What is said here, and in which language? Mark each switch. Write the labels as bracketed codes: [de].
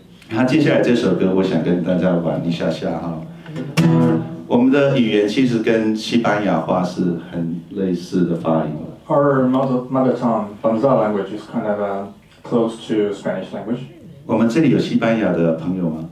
[zh] 那接下来这首歌我想跟大家玩一下下哈。我们的语言其实跟西班牙话是很类似的发音。 [en] Our mother tongue, Banza language, is kind of a... close to Spanish language. [zh] 我们这里有西班牙的朋友吗？